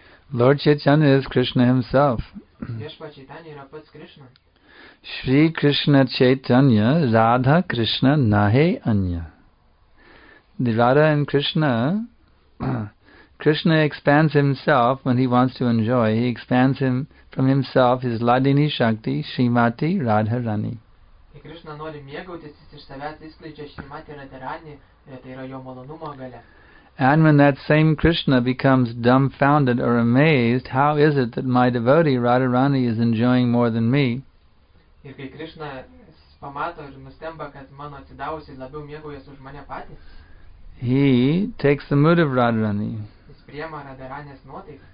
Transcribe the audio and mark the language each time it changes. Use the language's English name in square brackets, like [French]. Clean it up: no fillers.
[English] Lord Chaitanya is Krishna himself. [Sanskrit] Shri Krishna Chaitanya Radha Krishna Nahe Anya. [English] The Radha and Krishna, Krishna expands himself when he wants to enjoy. He expands him from himself, his Ladini Shakti, Srimati Radharani. [Lithuanian] Krishna nori mėgautis, jis iš savęs išskleidžia Šrimati Radharani, tai yra jo malonumo galia. [English] And when that same Krishna becomes dumbfounded or amazed, how is it that my devotee Radharani is enjoying more than me? [Lithuanian] Ir kai Krishna pamato ir nustemba, kad mano atsidavusi labiau mėgaujas už mane patį, [English] he takes the mood of Radharani. [Lithuanian] Jis priema Radharanės nuotaiką.